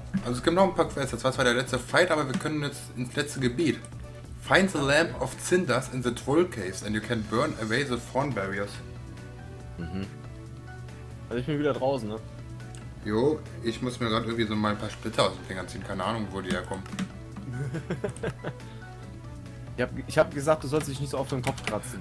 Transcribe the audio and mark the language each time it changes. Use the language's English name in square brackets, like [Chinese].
[German] Also es gibt noch ein paar Quests. Das war zwar der letzte Fight, aber wir können jetzt ins letzte Gebiet. [English] Find the Lamp of Cinders in the Troll Caves and you can burn away the thorn barriers. Mhm. [German] Also ich bin wieder draußen, ne? Jo, ich muss mir gerade irgendwie so mal ein paar Splitter aus den Fingern ziehen. Keine Ahnung, wo die herkommen. Ich hab gesagt, du sollst dich nicht so oft im Kopf kratzen.